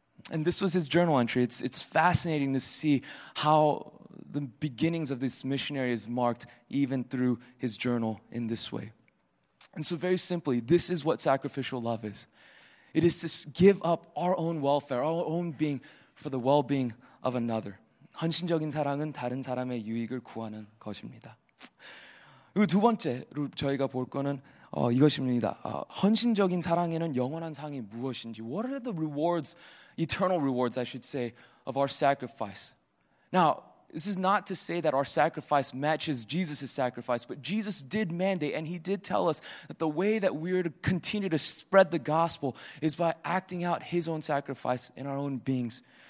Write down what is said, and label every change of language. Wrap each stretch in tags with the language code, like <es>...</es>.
<en>And this was his journal entry. It's fascinating to see how the beginnings of this missionary is marked even through his journal in this way. And so very simply, this is what sacrificial love is. It is to give up our own welfare, our own being, for the well-being of another.</en> <ko>헌신적인 사랑은 다른 사람의 유익을 구하는 것입니다. 그리고 두 번째로 저희가 볼 거는 이것입니다. 헌신적인 사랑에는 영원한 상이 무엇인지.</ko> <en>What are the rewards, eternal rewards, I should say, of our sacrifice? Now, this is not to say that our sacrifice matches Jesus' sacrifice, but Jesus did mandate and he did tell us that the way that we are to continue to spread the gospel is by acting out his own sacrifice in our own beings.</en>